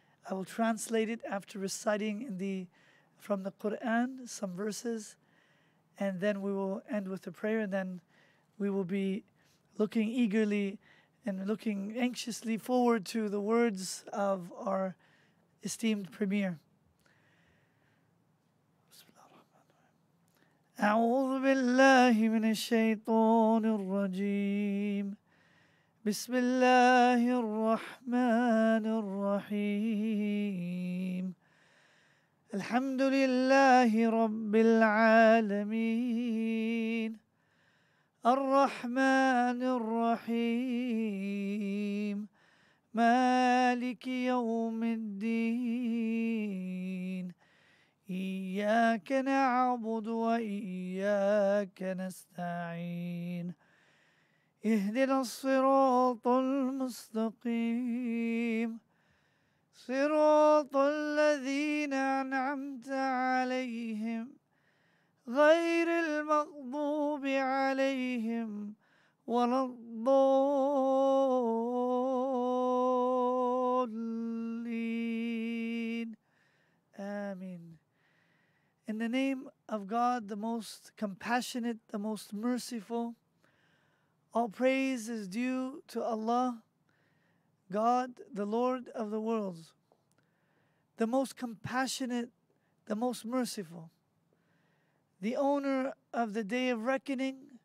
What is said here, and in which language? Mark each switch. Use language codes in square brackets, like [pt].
[en] I will translate it after reciting from the Quran some verses, and then we will end with a prayer, and then we will be looking eagerly and looking anxiously forward to the words of our esteemed Premier. [ar] أعوذ بالله من الشيطان الرجيم بسم الله الرحمن الرحيم الحمد لله رب العالمين الرحمن الرحيم مالك يوم الدين إياك نعبد وإياك نستعين اهدنا الصراط المستقيم صراط الذين أنعمت عليهم غير المغضوب عليهم ولا الضالين آمين. [en] In the name of God, the most compassionate, the most merciful, all praise is due to Allah, God, the Lord of the worlds, the most compassionate, the most merciful, the owner of the day of reckoning.